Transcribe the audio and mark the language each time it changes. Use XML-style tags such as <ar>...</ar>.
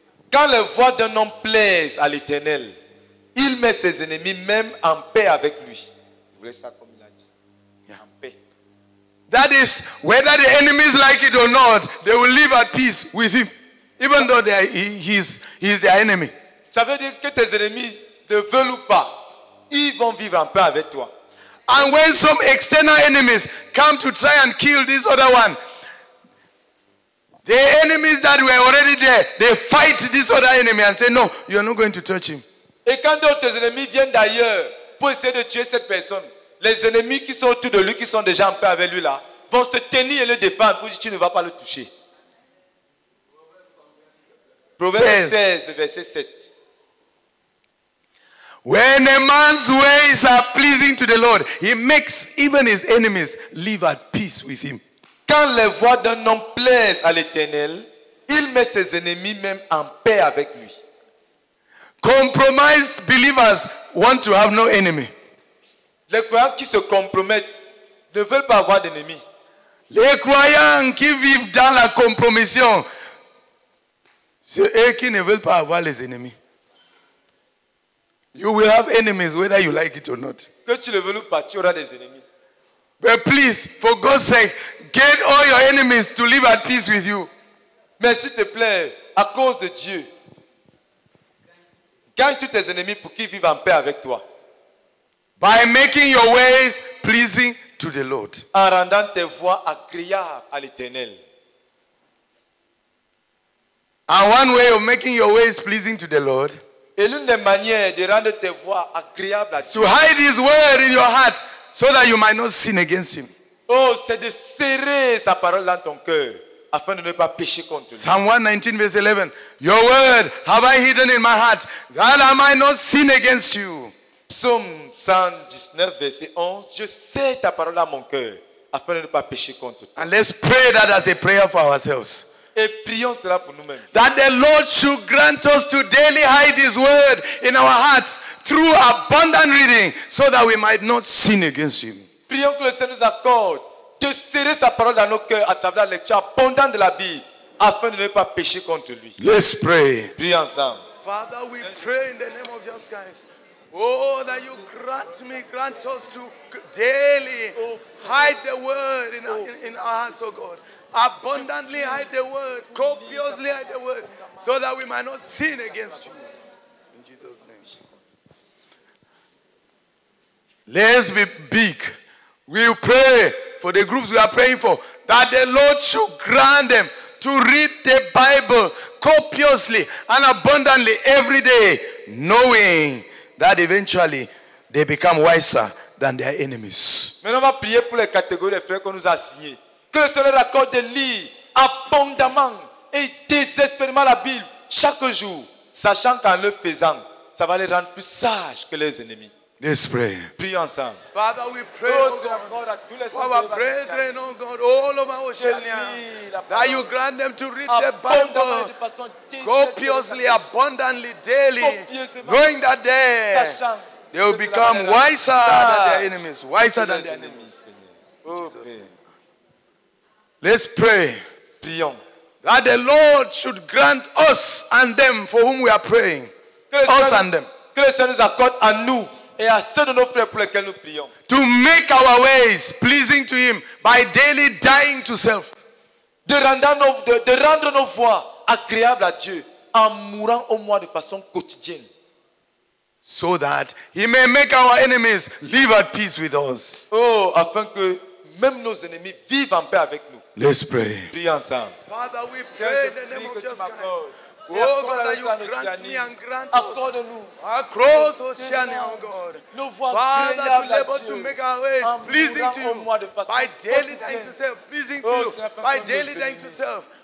<fr>Quand la voix d'un homme plaise à l'Éternel, il met ses ennemis même en paix avec lui. Vous voulez ça comme il a dit? Yeah. En paix.</fr> <en>That is, whether the enemies like it or not, they will live at peace with him, even though they are, he is their enemy.</en> <fr>Ça veut dire que tes ennemis te veulent ou pas, ils vont vivre en paix avec toi.</fr> <en>And when some external enemies come to try and kill this other one, the enemies that were already there, they fight this other enemy and say, no, you are not going to touch him.</en> <fr>Et quand d'autres ennemis viennent d'ailleurs pour essayer de tuer cette personne, les ennemis qui sont autour de lui, qui sont déjà en paix avec lui là, vont se tenir et le défendre pour dire, tu ne vas pas le toucher. Proverbes 16, verset 7.</fr> <en>When a man's ways are pleasing to the Lord, he makes even his enemies live at peace with him.</en> <fr>Quand les voies d'un homme plaisent à l'Éternel, il met ses ennemis même en paix avec lui.</fr> <en>Compromised believers want to have no enemy.</en> <fr>Les croyants qui se compromettent ne veulent pas avoir d'ennemis. Les croyants qui vivent dans la compromission, c'est eux qui ne veulent pas avoir les ennemis.</fr> <en>You will have enemies whether you like it or not.</en> <fr>Que tu le veuilles ou pas, tu auras des ennemis.</fr> <en>But please, for God's sake, get all your enemies to live at peace with you.</en> <fr>Mais s'il te plaît, à cause de Dieu, gagne tous tes ennemis pour qu'ils vivent en paix avec toi.</fr> <en>By making your ways pleasing to the Lord.</en> <fr>En rendant tes voies agréables à l'Éternel.</fr> <en>And one way of making your ways pleasing to the Lord.</en> <fr>Et l'une des manières de rendre tes voies agréables à Dieu.</fr> <en>To hide his word in your heart so that you might not sin against him.</en> <fr>Oh, c'est de serrer sa parole dans ton cœur afin de ne pas pécher contre lui.</fr> <en>Psalm 119, verse 11. Your word have I hidden in my heart that I might not sin against you.</en> <fr>Psaume 119, verset 11. Je sais ta parole dans mon cœur afin de ne pas pécher contre toi.</fr> <en>And let's pray that as a prayer for ourselves.</en> <fr>Et prions cela pour nous-mêmes.</fr> <en>That the Lord should grant us to daily hide his word in our hearts through abundant reading so that we might not sin against him.</en> <fr>Prions que le Seigneur nous accorde de serrer sa parole dans nos cœurs à travers la lecture abondante de la Bible afin de ne pas pécher contre lui.</fr> <en>Let's pray.</en> <fr>Prions ensemble.</fr> <en>Father, we pray in the name of Jesus Christ. Oh, that you grant us to daily hide the word in our hearts, oh God. Abundantly hide the word, copiously hide the word, so that we might not sin against you. In Jesus' name. Let's be big. We'll pray for the groups we are praying for, that the Lord should grant them to read the Bible copiously and abundantly every day, knowing that eventually they become wiser than their enemies.</en> <fr>Maintenant, on va prier pour les catégories des frères qu'on nous a signés. Que le Seigneur accorde de lire abondamment et désespérément la Bible chaque jour, sachant qu'en le faisant, ça va les rendre plus sages que leurs ennemis.</fr> <en>Let's pray.</en> <fr>Prie ensemble.</fr> <en>Father, we pray, oh God, for our brethren, oh God, all over Oceania, that you grant them to reap their Bible copiously, abundantly, daily, knowing that they will become wiser than their enemies, wiser than their enemies. Let's pray.</en> <fr>Prions.</fr> <en>That the Lord should grant us and them for whom we are praying, us and them,</en> <fr>que le Seigneur nous accorde à nous et à ceux de nos frères pour lesquels nous prions,</fr> <en>to make our ways pleasing to Him by daily dying to self,</en> <fr>de rendre nos voies agréables à Dieu en mourant au moins de façon quotidienne,</fr> <en>so that He may make our enemies live at peace with us.</en> <fr>Oh, afin que même nos ennemis vivent en paix avec nous.</fr> <en>Let's pray.</en> <fr>Prions ensemble.</fr> <en>Father, we pray in the name of Jesus Christ. Oh God, that you grant me and grant us across Oceania, oh God. Father, to be able to make our ways pleasing to you. By daily dying to self, pleasing to you. By daily dying to self.</en>